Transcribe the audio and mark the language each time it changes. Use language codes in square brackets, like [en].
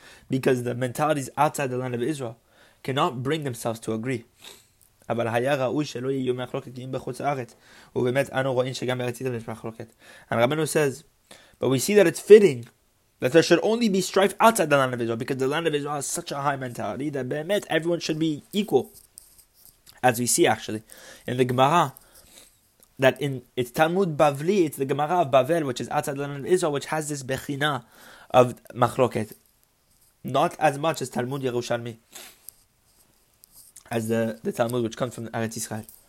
[en] Because the mentalities outside the land of Israel cannot bring themselves to agree. [he] אבל היה ראוי שלא יהיו מחלוקת גאים בחוץ לארץ, ובאמת אנו רואים שגם בארץ ישראל יש מחלוקת. [en] And Rabeinu says, but we see that it's fitting that there should only be strife outside the land of Israel, because the land of Israel has such a high mentality that [he] באמת [en] everyone should be equal. As we see actually in the Gemara, that in it's Talmud Bavli, it's the Gemara of Bavel, which is outside the land of Israel, which has this bechina of machloket, not as much as Talmud Yerushalmi, as the Talmud which comes from Eretz Yisrael.